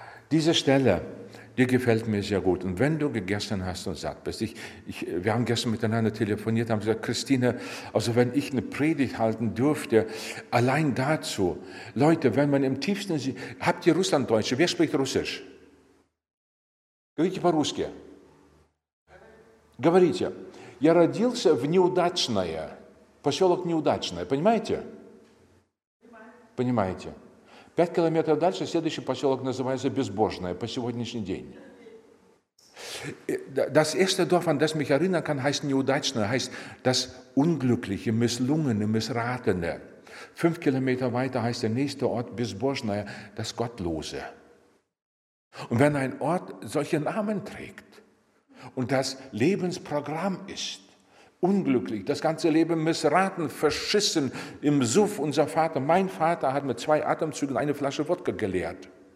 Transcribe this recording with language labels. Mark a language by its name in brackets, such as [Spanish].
[German] Diese Stelle, die gefällt mir sehr gut. Und wenn du gegessen hast und satt bist, wir haben gestern miteinander telefoniert, haben gesagt, Christine, also wenn ich eine Predigt halten dürfte, allein dazu, Leute, wenn man im tiefsten, habt ihr Russlanddeutsche, wer spricht Russisch? [Russian] Говорите по-русски. Говорите. Я родился в Неудачное, поселок Неудачное, понимаете? Понимаете. 5 километров дальше следующий поселок называется Безбожное по сегодняшний день. [German] Das erste Dorf, an das mich erinnern kann, heißt Неудачное, heißt das Unglückliche, Misslungene, Missratene. 5 Kilometer weiter heißt der nächste Ort Безбожное, das Gottlose. Und wenn ein Ort solche Namen trägt und das Lebensprogramm ist, unglücklich, das ganze Leben missraten, verschissen, im Suff, unser Vater, mein Vater hat mit 2 Atemzügen eine Flasche Wodka geleert.